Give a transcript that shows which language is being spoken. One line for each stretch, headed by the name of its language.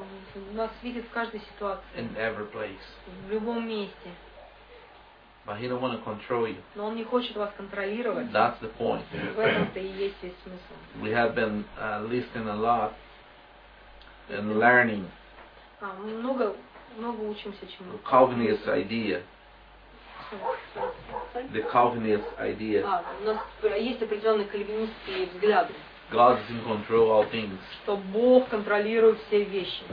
Russian: Он нас видит в каждой ситуации.
English: In every place.
Russian: В любом месте.
English: But he don't want to control you.
Russian: Но он не хочет вас контролировать.
English: That's the point.
Russian: В этом-то и есть весь смысл.
English: We have been listening a lot and learning.
Russian: А мы много, много учимся чему-то.
English: Calvinist idea. The Calvinist idea.
Russian: У нас есть определенные кальвинистские взгляды.
English: God is in control of all things.
Russian: Что Бог контролирует все вещи.